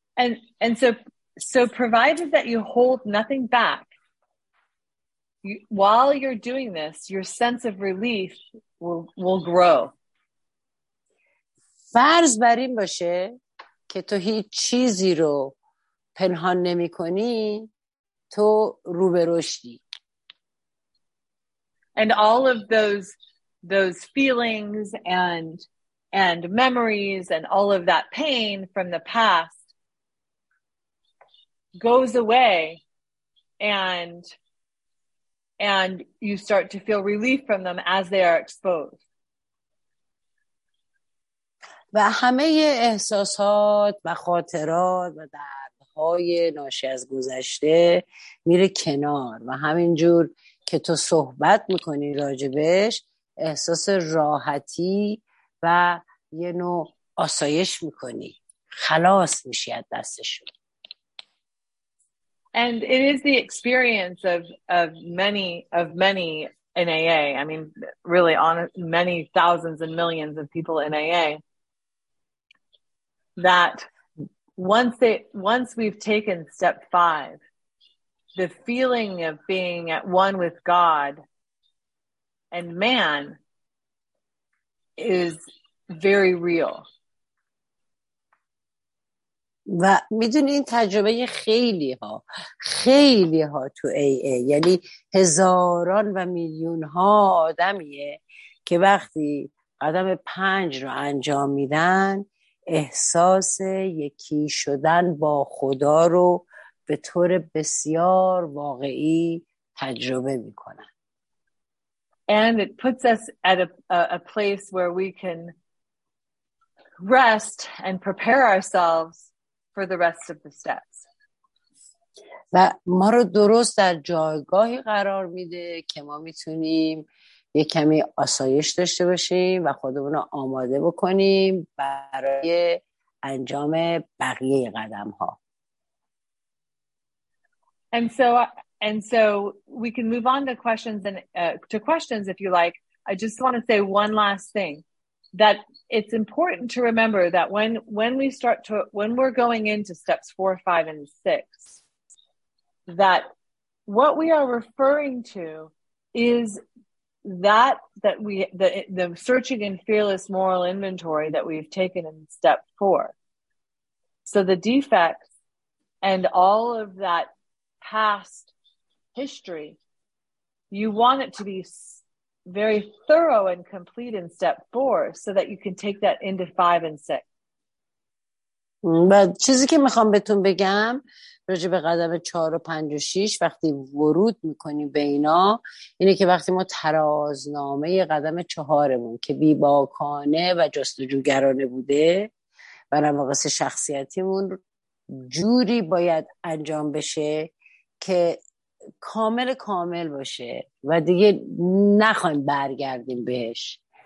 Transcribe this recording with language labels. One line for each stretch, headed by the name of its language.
English: And so provided that you hold nothing back, while you're doing this, your sense of relief will grow.
Persian: فرض بر این باشه که تو هیچ چیزی رو پنهان نمی کنی، تو روبروشتی.
English: And all of those feelings and memories and all of that pain from the past goes away and you start to feel relief from them as they are exposed.
Persian: و همه احساسات و خاطرات و دردهای ناشی از گذشته میره کنار و همین جور که تو صحبت میکنی راجبش احساس راحتی و یه نوع آسایش میکنی، خلاص میشی از دستشون.
English: And it is the experience of many in AA. I mean, really, on many thousands and millions of people in AA, that once we've taken step five, the feeling of being at one with God and man is very real.
Persian: و میدونی این تجربه خیلی ها تو AA، یعنی هزاران و میلیون ها آدمیه که وقتی قدم پنج رو انجام میدن احساس یکی شدن با خدا رو به طور بسیار واقعی تجربه میکنن.
English: And it puts us at a place where we can rest and prepare ourselves for the rest of the steps.
Persian: و ما رو درست در جایگاهی قرار میده که ما میتونیم یه کمی آسایش داشته باشیم و خودمون رو آماده بکنیم برای انجام بقیه قدم ها.
English: And so we can move on to questions if you like. I just want to say one last thing. That it's important to remember that when we're going into steps 4, 5, and 6, that what we are referring to is the searching and fearless moral inventory that we've taken in step 4. So the defects and all of that past history, you want it to be very thorough and complete in step 4 so that you can take that into 5 and 6.
Persian: بعد چیزی که میخوام بهتون بگم راجع به قدم 4 و 5 و 6 وقتی ورود میکنی به اینا اینه که وقتی ما ترازنامه قدم 4مون که بی باکانه و جستجوگرانه بوده و نواقص شخصیتیمون جوری باید انجام بشه که کامل کامل باشه و دیگه نخواهیم برگردیم بهش.